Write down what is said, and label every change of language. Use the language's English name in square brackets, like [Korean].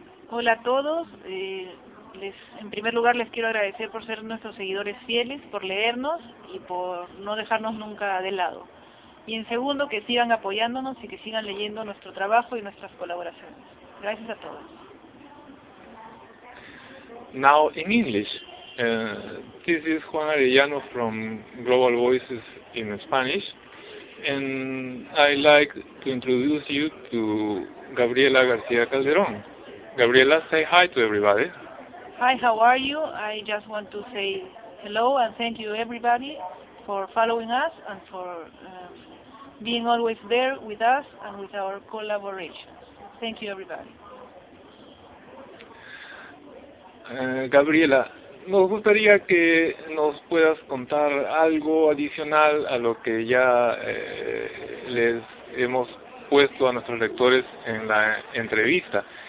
[Spanish] Hola a todos. En primer lugar, les quiero agradecer por ser nuestros seguidores fieles, por leernos y por no dejarnos nunca de lado. Y en segundo, que sigan apoyándonos y que sigan leyendo nuestro trabajo y nuestras colaboraciones. Gracias a todos. [English] Now in English, this is Juan Arellano from Global Voices in Spanish, and I like to introduce you to Gabriela García Calderón. Gabriela, say hi to everybody. Hi, how are you? I just want to say hello and thank you everybody for following us and for being always there with us and with our collaboration. Thank you everybody. [Spanish] Gabriela, nos gustaría que nos puedas contar algo adicional a lo que ya les hemos puesto a nuestros lectores en la entrevista.